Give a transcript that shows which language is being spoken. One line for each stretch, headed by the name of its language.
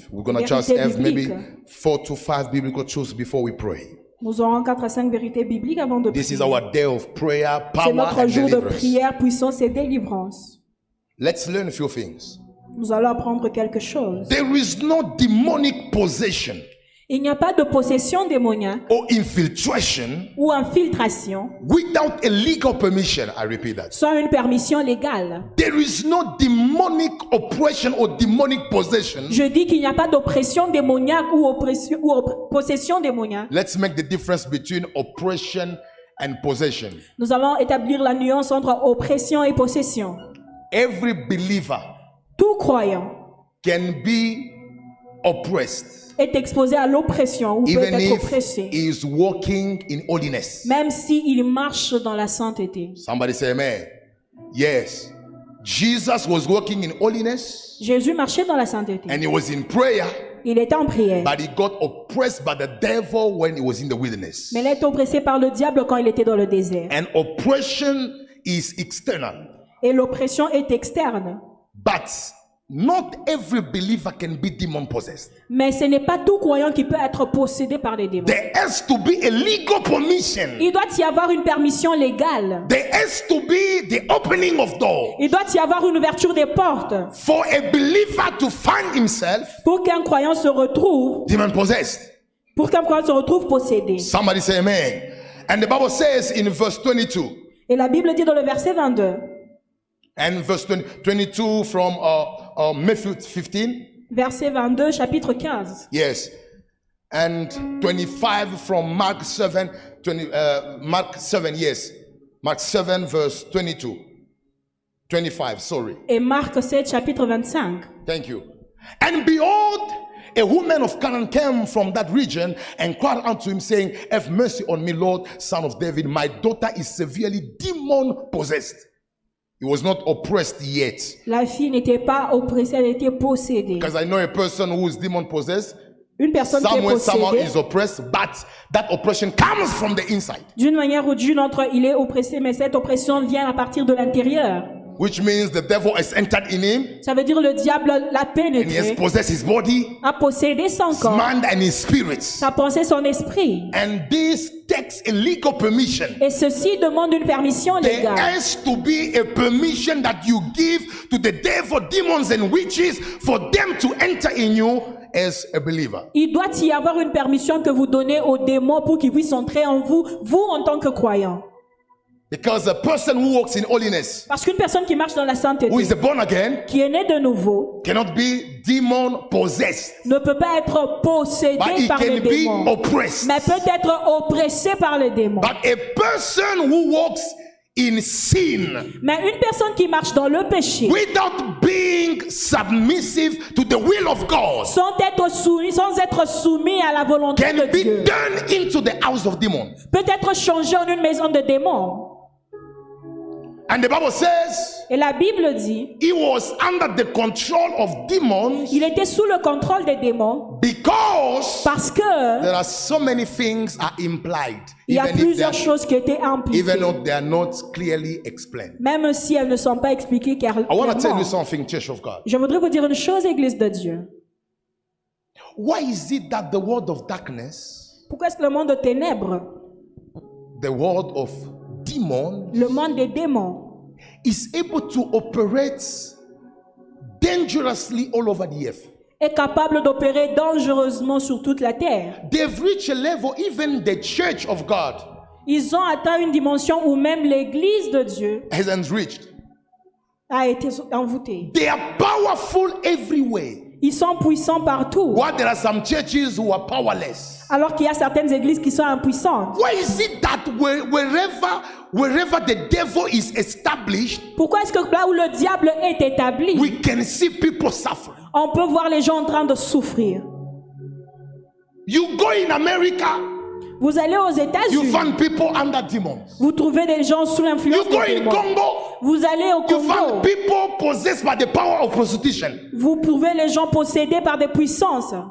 English: We're going to just have maybe 4 to 5 biblical truths before we pray.
French: Nous aurons 4 à 5 vérités bibliques avant de prier.
English: This is our day of prayer, power and deliverance.
French: C'est notre jour de prière, puissance et délivrance.
English: Let's learn a few things.
French: Nous allons apprendre quelque chose.
English: There is no demonic possession.
French: Il n'y a pas de possession démoniaque
English: or infiltration
French: ou infiltration
English: without a legal permission, I repeat that.
French: Sans une permission légale.
English: There is no demonic oppression or demonic possession.
French: Je dis qu'il n'y a pas d'oppression démoniaque ou oppression ou possession démoniaque.
English: Let's make the difference between oppression and possession.
French: Nous allons établir la nuance entre oppression et possession.
English: Every believer,
French: tout croyant,
English: can be oppressed.
French: Est exposé à l'oppression ou
English: even
French: peut être oppressé.
English: He is walking in holiness.
French: Même si il marche dans la sainteté.
English: Somebody say amen. Yes. Jesus was walking in holiness.
French: Jésus marchait dans la sainteté.
English: And he was in prayer.
French: Il était en prière.
English: But he got oppressed by the devil when he was in the wilderness.
French: Mais il est oppressé par le diable quand il était dans le désert.
English: And oppression is external.
French: Et l'oppression est externe.
English: But Not every believer can be demon possessed.
French: Mais ce n'est pas tout croyant qui peut être possédé par les démons.
English: There has to be a legal permission.
French: Il doit y avoir une permission légale.
English: There has to be the opening of doors.
French: Il doit y avoir une ouverture des portes.
English: For a believer to find himself.
French: Pour qu'un croyant se retrouve
English: demon possessed.
French: Pour qu'un croyant se retrouve possédé.
English: Somebody say amen. And the Bible says in verse 22.
French: Et la Bible dit dans le verset 22.
English: And verse 22 from Matthew 15.
French: Verset 22, chapitre 15.
English: Yes. And 25 from Mark 7. Mark 7, verse 22. 25, sorry.
French: Et Marc 7, chapitre 25.
English: Thank you. And behold, a woman of Canaan came from that region and cried unto him, saying, have mercy on me, Lord, son of David. My daughter is severely demon possessed. He was not oppressed yet.
French: La fille n'était pas oppressée, elle était possédée.
English: Because I know a person who is demon possessed.
French: Une personne qui est possédée.
English: Someone is oppressed, but that oppression comes from the inside.
French: D'une manière ou d'une autre, il est oppressé, mais cette oppression vient à partir de l'intérieur.
English: Which means the devil has entered in him.
French: Ça veut dire le diable l'a pénétré.
English: And he has possessed his body.
French: A possédé son corps.
English: His mind and his spirit.
French: Sa pensée, son esprit.
English: And this takes a legal permission.
French: Et ceci demande une permission légale.
English: There has to be a permission that you give to the devil, demons and witches for them to enter in you as a believer.
French: Il doit y avoir une permission que vous donnez aux démons pour qu'ils puissent entrer en vous, vous en tant que croyant.
English: Because a person who walks in holiness,
French: parce qu'une personne qui marche dans la sainteté,
English: who is born again,
French: qui est né de nouveau,
English: cannot be demon possessed,
French: ne peut pas être possédé par les démons,
English: be oppressed,
French: mais peut être oppressé par les démons.
English: But a person who walks in sin,
French: mais une personne qui marche dans le péché,
English: without being submissive to the will of God,
French: sans être soumis à la volonté
English: can
French: de
English: be
French: Dieu,
English: turned into the house of demons,
French: peut être changé en une maison de démons.
English: And the Bible says,
French: et la Bible dit,
English: he was under the control of demons.
French: Il était sous le contrôle des démons.
English: Because,
French: parce que,
English: there are so many things are implied.
French: Il y a plusieurs choses qui étaient impliquées.
English: Even though they are not clearly explained.
French: Même si elles ne sont pas expliquées clairement.
English: I want to tell you something, Church of God.
French: Je voudrais vous dire une chose, Église de Dieu.
English: Why is it that the world of darkness?
French: Pourquoi est-ce que le monde de ténèbres?
English: The world of demons,
French: le monde des démons,
English: is able to operate dangerously all over the earth.
French: Est capable d'opérer dangereusement sur toute la terre.
English: They've reached a level, even the Church of God.
French: Ils ont atteint une dimension où même l'Église de Dieu
English: hasn't reached.
French: A été envoûtée.
English: They are powerful everywhere.
French: Ils sont puissants partout.
English: What, there are some churches who are powerless.
French: Alors qu'il y a certaines églises qui sont impuissantes.
English: Why is it that wherever the devil is established,
French: pourquoi est-ce que là où le diable est établi,
English: we can see people suffer.
French: On peut voir les gens en train de souffrir.
English: You go in America,
French: vous allez aux États-Unis,
English: you find people under demons.
French: Vous trouvez des gens sous l'influence des démons.
English: You go in Congo,
French: vous allez au Congo,
English: you find people possessed by the power of prostitution.
French: Vous trouvez les gens possédés par des puissances.